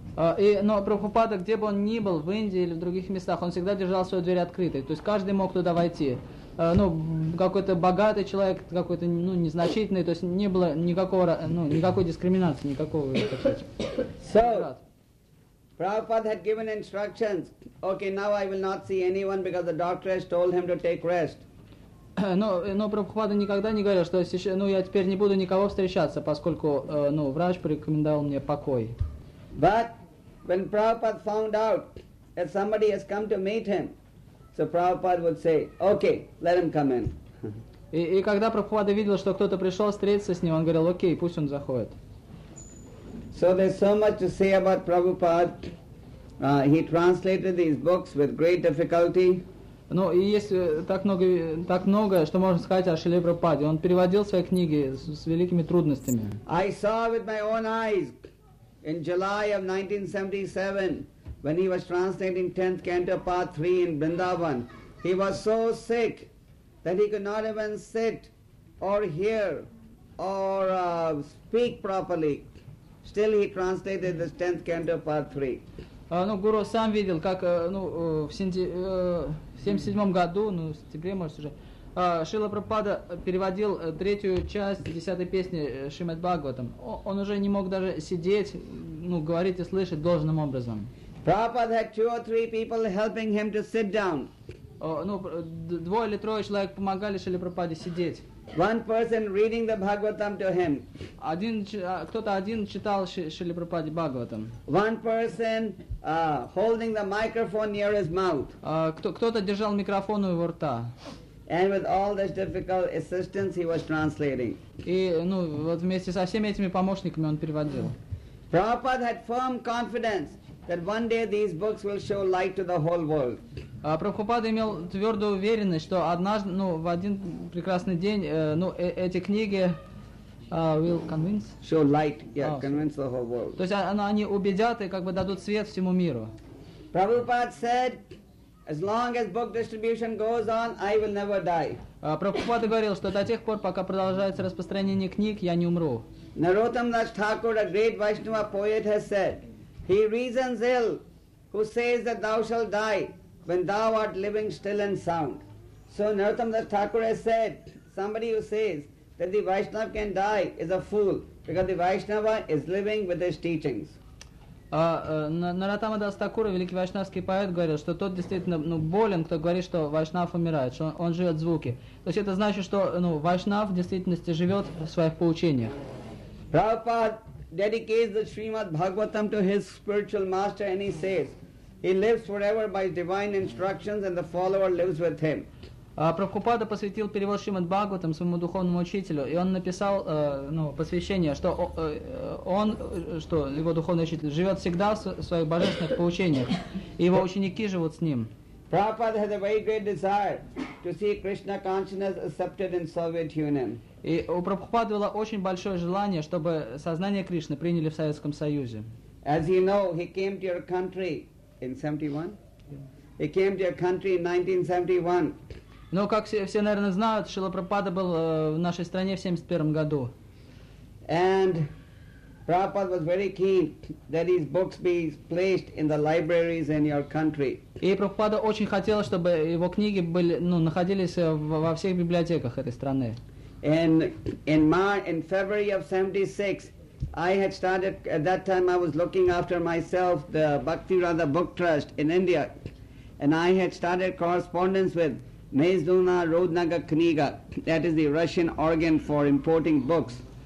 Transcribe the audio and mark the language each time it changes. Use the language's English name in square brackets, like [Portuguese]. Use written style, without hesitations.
[Russian] Но Прабхупада, где бы он ни был, в Индии или в других местах, он всегда держал свою дверь открытой. То есть каждый мог туда войти. Ну, какой-то богатый человек, какой-то, ну, незначительный, то есть не было никакого, ну, никакой дискриминации, никакого. [English] So, Prabhupada had given instructions. Okay, now I will not see anyone because the doctor has told him to take rest. [Russian] Но Прабхупада никогда не говорил, что сейчас, ну, я теперь не буду никого встречаться, поскольку, ну, врач порекомендовал мне покой. [English] But when Prabhupada found out that somebody has come to meet him, so Prabhupada would say, okay, let him come in. [Russian] И когда Прабхупада видел, что кто-то пришел встретиться с ним, он говорил, окей, пусть он заходит. [English] So there's so much to say about Prabhupada. He translated these books with great difficulty. [Russian] Ну, и есть так много, что можно сказать о Шриле Прабхупаде. Он переводил свои книги с великими трудностями. [English] I saw with my own eyes in July of 1977, when he was translating 10th Canto, Part 3 in Vrindavan, he was so sick that he could not even sit or hear or speak properly. Still he translated this 10th Canto, Part 3. [Russian] Ну, гуру сам видел, как, ну, в 77 году, ну, в сентябре, может, уже, Шрила Прабхупада переводил третью часть 10-й песни Шримад Бхагаватам. Он уже не мог даже сидеть, ну, говорить и слышать должным образом. [English] Prabhupada had two or three people helping him to sit down. [Russian] ну, двое или трое человек помогали Шриле Прабхупаде сидеть. [English] One person reading the Bhagavatam to him. [Russian] Один, кто-то один читал Шриле Прабхупаде Бхагаватам. [English] One person holding the microphone near his mouth. [Russian] Кто-то держал микрофон у его рта. [English] And with all this difficult assistance, he was translating. [Russian] И, ну, вот вместе со всеми этими помощниками он переводил. [English] Prabhupada had firm confidence that one day these books will show light to the whole world. [Russian] Прабхупада имел твердую уверенность, что однажды, ну, в один прекрасный день, ну, эти книги [English] will convince. Show light, yeah, convince the whole world. [Russian] То есть они убедят и как бы дадут свет всему миру. [English] Prabhupada said, as long as book distribution goes on, I will never die. [Russian] Прабхупада говорил, что до тех пор, пока продолжается распространение книг, я не умру. [English] Narottam Das Thakur, a great Vaishnava poet, has said, he reasons ill who says that thou shalt die when thou art living still and sound. So Narottam Das Thakur has said, somebody who says that the Vaishnava can die is a fool, because the Vaishnava is living with his teachings. [Russian] Наратама Дас Такура, великий вайшнавский поэт, говорил, что тот действительно, ну, болен, кто говорит, что вайшнав умирает, что он живет в звуке. То есть это значит, что, ну, вайшнав в действительности живет в своих поучениях. [English] Prabhupada dedicates the Srimad Bhagavatam to his spiritual master and he says, he lives forever by divine instructions and the follower lives with him. [Russian] Прабхупада посвятил перевод Шримад Бхагаватам своему духовному учителю, и он написал посвящение, что он, что его духовный учитель, живет всегда в своих божественных поучениях, и его ученики живут с ним. [English] Prabhupada has a very great desire to see Krishna consciousness accepted in Soviet Union. [Russian] И у Прабхупады было очень большое желание, чтобы сознание Кришны приняли в Советском Союзе. [English] As you know, he came to your country in 71. Yeah. He came to your country in 1971. [Russian] Но, как все, наверное, знают, Шрила Прабхупада был в нашей стране в 71 году. [English] And Prabhupada was very keen that his books be placed in the libraries in your country. [Russian] И Прабхупада очень хотел, чтобы его книги были, ну, находились во всех библиотеках этой страны. [English] In February of 76, I had started, at that time I was looking after myself, the Bhakti Radha Book Trust in India, and I had started correspondence with Mezduna Rodnaga Kniga, that is the Russian organ for importing books.